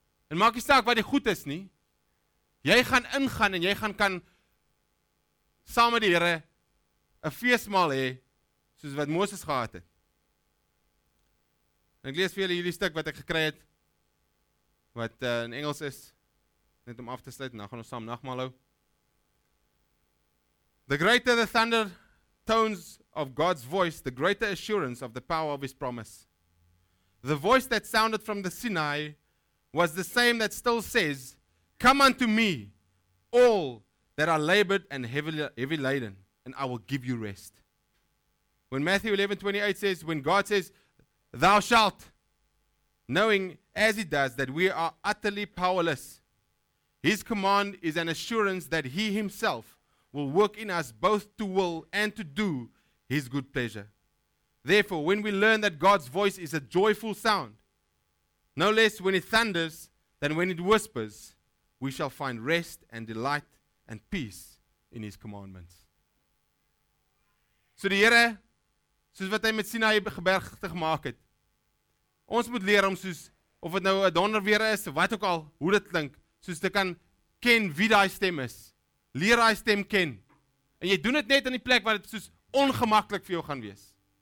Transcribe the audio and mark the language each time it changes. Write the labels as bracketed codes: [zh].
[af] En maak nie saak wat dit goed is nie. Jy gaan ingaan en jy gaan kan saam met die Here 'n feesmaal hê soos wat Moses gehad het. En ek lees vir julle hierdie stuk wat ek gekry het wat in Engels is, net om af te sluit, nou gaan ons saam nagmaal hou. [en] The greater the thunder tones of God's voice, the greater assurance of the power of his promise. The voice that sounded from the Sinai was the same that still says, come unto me all that are labored and heavy laden, and I will give you rest. When Matthew 11:28 says, when God says, thou shalt, knowing as he does that we are utterly powerless, his command is an assurance that he himself will work in us both to will and to do his good pleasure. Therefore, when we learn that God's voice is a joyful sound, no less when it thunders than when it whispers, we shall find rest and delight and peace in his commandments. [af] So die Here, soos wat hy met Sinai gebergtig gemaak het, ons moet leer om soos, of het nou 'n donder weer is, wat ook al, hoe dit klink, soos te kan ken wie die stem is. Leer die stem ken. En jy doen dit net in die plek waar dit soos ongemaklik vir jou gaan wees.